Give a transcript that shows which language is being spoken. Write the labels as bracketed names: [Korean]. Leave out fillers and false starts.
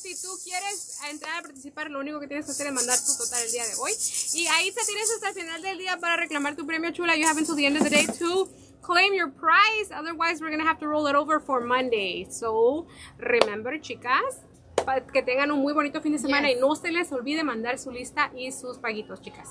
[Spanish] Si tú quieres entrar a participar, lo único que tienes que hacer es mandar tu total el día de hoy. Y Aiza, tienes hasta el final del día para reclamar tu premio, chula. [English] You have until the end of the day to claim your prize. Otherwise, we're going to have to roll it over for Monday. So, remember, [Spanish] chicas, que tengan un muy bonito fin de semana. Yes. Y no se les olvide mandar su lista y sus paguitos, chicas.